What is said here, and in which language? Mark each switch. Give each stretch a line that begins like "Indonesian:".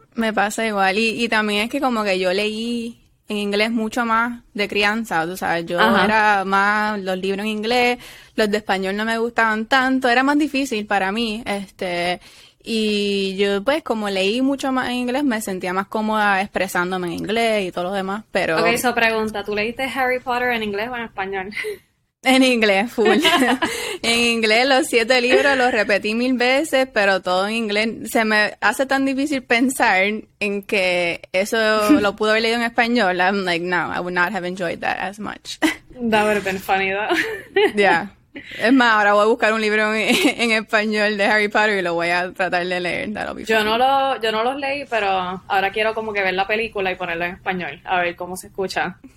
Spanish: Me pasa igual, y también es que como que yo leí en inglés mucho más de crianza, o sea, yo era más los libros en inglés, los de español no me gustaban tanto, era más difícil para mí, y yo pues como leí mucho más en inglés, me sentía más cómoda expresándome en inglés y todo lo demás, pero... Ok, so pregunta, ¿tú leíste Harry Potter en inglés o en español? En inglés, full. En inglés, los 7 libros los repetí 1000 veces, pero todo en inglés. Se me hace tan difícil pensar en que eso lo pudo haber leído en español.
English: I'm like, no, I would not have enjoyed that as much. That would have been funny, though. Yeah.
Spanish: Es más, ahora voy a buscar un libro en español de Harry Potter y lo voy a tratar de leer.
English: That'll be funny.
Spanish: Yo no los leí, pero ahora quiero como que ver la película y ponerlo en español, a ver cómo se escucha.